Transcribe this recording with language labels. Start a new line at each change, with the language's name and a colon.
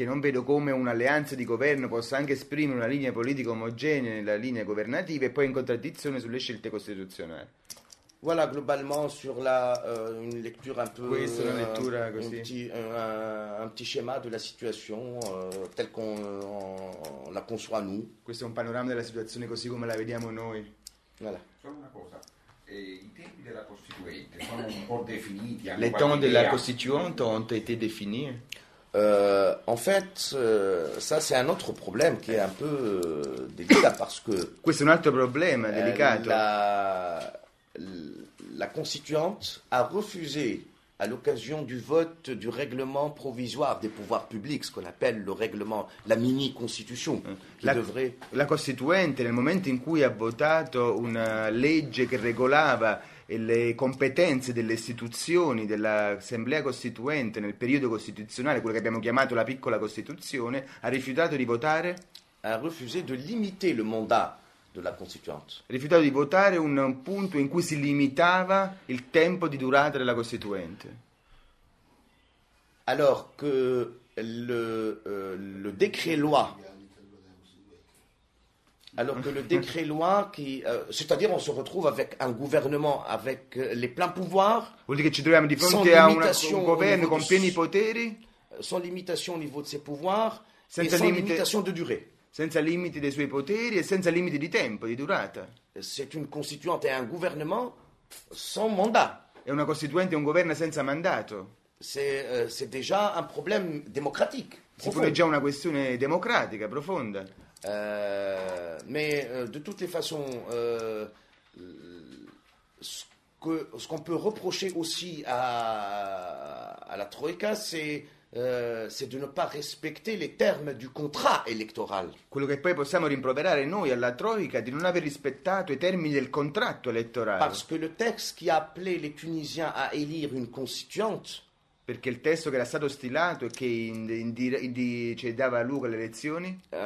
Italian: Che non vedo come un'alleanza di governo possa anche esprimere una linea politica omogenea nella linea governativa e poi in contraddizione sulle scelte costituzionali.
French: Voilà, globalement, sur la une lecture un peu...
Italian: Questa è una lettura così.
French: Un petit schéma de la situation tel qu'on la conçoit nous.
Italian: Questo è un panorama della situazione così come la vediamo noi.
French: Voilà.
Italian: Solo una cosa. I tempi della Costituente sono un po' definiti.
French: Le temps de la Constituante ont été définis. En fait, ça c'est un autre problème qui est un peu délicat parce que...
Italian: Questo è un altro problema délicat.
French: La Constituante a refusé à l'occasion du vote du règlement provisoire des pouvoirs publics, ce qu'on appelle le règlement, la mini-constitution,
Italian: La Costituente, nel momento in cui ha votato una legge che regolava le competenze delle istituzioni dell'Assemblea Costituente nel periodo costituzionale, quello che abbiamo chiamato la piccola Costituzione, ha rifiutato di votare?
French: Ha refusé de limiter le mandat
Italian: della Costituente. Rifiutato di votare un punto in cui si limitava il tempo di durata della Costituente.
French: Alors que le décret-loi. Alors que le décret-loi, qui, c'est-à-dire on se retrouve avec un gouvernement avec les pleins pouvoirs.
Italian: Vuol dire che ci troviamo di fronte a un governo con pieni poteri.
French: Sans limitation au niveau de ses pouvoirs, senza et sans limitation de durée.
Italian: Senza limiti dei suoi poteri e senza limiti di tempo, di durata.
French: C'est une constituante et un gouvernement sans mandat.
Italian: È una costituente e un governo senza mandato.
French: C'est déjà un problème démocratique.
Italian: Si pone già una questione democratica profonda.
French: Mais de toutes les façons, ce qu'on peut reprocher aussi à la Troïka, c'est de ne pas respecter les termes du contrat électoral.
Italian: Quello che poi possiamo rimproverare noi alla Troïka di non aver rispettato i termini del contratto elettorale.
French: Parce que le texte qui a appelé les Tunisiens à élire une constituante.
Italian: Perché il testo che era stato stilato e che dava luogo alle elezioni.